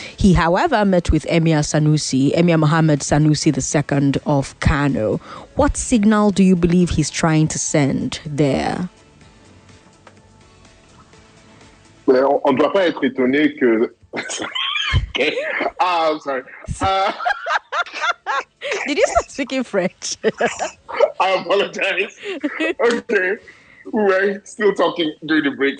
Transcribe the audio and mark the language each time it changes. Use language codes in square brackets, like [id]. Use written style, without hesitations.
[en] He, however, met with Emir Mohammed Sanusi II of Kano. What signal do you believe he's trying to send there? [fr] On doit pas être étonné que. [en] Okay. I'm sorry. Did you start speaking French? I apologize. Okay. We're still talking during the break.